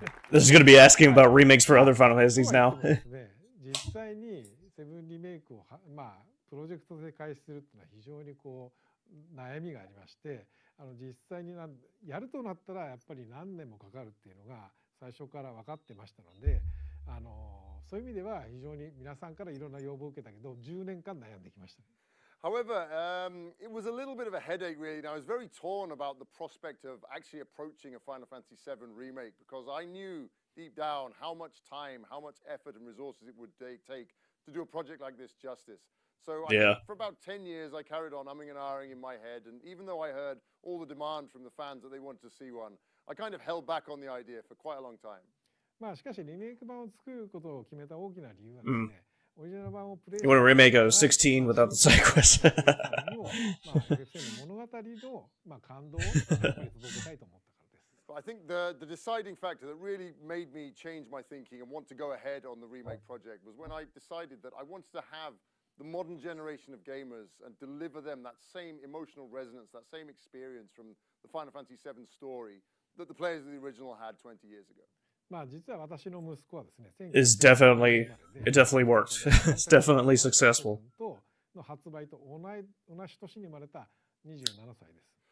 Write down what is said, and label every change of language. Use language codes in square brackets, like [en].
[en] This is going to be asking about remakes for other Final Fantasies now. [ja] 実際にセブンリメイクをまあプロジェクトで開始するっていうのは非常にこう悩みがありまして、あの実際にやるとなったらやっぱり何年もかかるっていうのが最初から分かってましたので、あの。そういう意味では非常に皆さんからいろんな要望を受けたけど、10年間悩んできました。 [en] However, it was a little bit of a headache really. I was very torn about the prospect of actually approaching a Final Fantasy VII remake because I knew deep down how much time, how much effort and resources it would take to do a project like this justice. So for about 10 years, I carried on umming and ahhing in my head. And even though I heard all the demand from the fans that they wanted to see one, I kind of held back on the idea for quite a long time. [ja] まあしかしリメイク版を作ることを決めた大きな理由はですね、オリジナル版をプレイ。 [en] You want to remake a 16 without the side quest? [ja] まあ物語のまあ感動を届けたいと思ったからです。 [en] I think the deciding factor that really made me change my thinking and want to go ahead on the remake project was when I decided that I wanted to have the modern generation of gamers and deliver them that same emotional resonance, that same experience from the Final Fantasy VII story that the players of the original had 20 years ago. [ja] まあ実は私の息子はですね、 [en] It definitely worked. It's definitely successful. [ja] の発売と同じ年に生まれた27歳です。